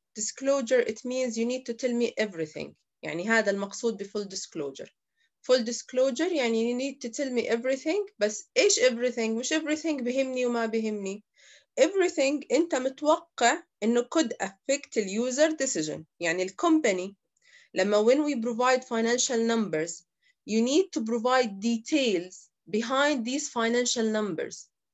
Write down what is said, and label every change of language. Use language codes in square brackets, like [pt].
[en] Disclosure, it means you need to tell me everything. [ar] يعني هذا المقصود بفull disclosure. [en] Full disclosure يعني you need to tell me everything. [ar] بس إيش [en] everything؟ [ar] مش everything بهمني وما بهمني. [en] Everything [ar] أنت متوقع إنه [en] could affect the user decision. يعني the company لما when we provide financial numbers, you need to provide details behind these financial numbers.